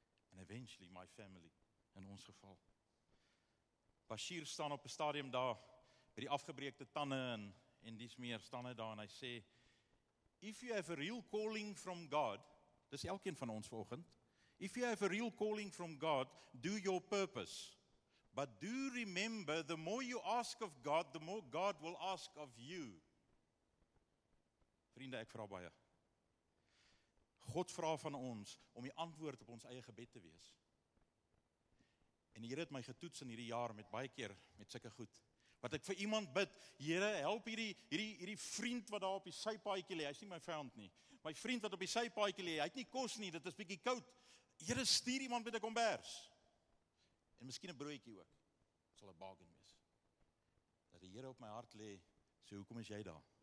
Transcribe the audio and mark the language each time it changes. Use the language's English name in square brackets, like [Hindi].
[English] And eventually my family, [Afrikaans] in ons geval. Bashir staan op 'n stadium daar, by die afgebreekte tanden en dies meer, staan hy daar en hy sê, [English] if you have a real calling from God, [Afrikaans] dis elkeen van ons volgend, [English] if you have a real calling from God, do your purpose. But do remember, the more you ask of God, the more God will ask of you. [Afrikaans] Vriende, ek vra baie. God vra van ons om die antwoord op ons eie gebed te wees. En die Here het my getoets in hierdie jaar met baie keer, met sulke goed. Wat ek vir iemand bid, Here, help hierdie vriend wat daar op die sypaadjie lê, hy is nie my vijand nie. My vriend wat op die sypaadjie lê, hy het nie kos nie, dit is bietjie koud. Here, stuur iemand met 'n kombers. En miskien 'n broodjie ook, sal 'n bargain wees. Dat die Here op my hart lê, sê, hoekom is jy daar?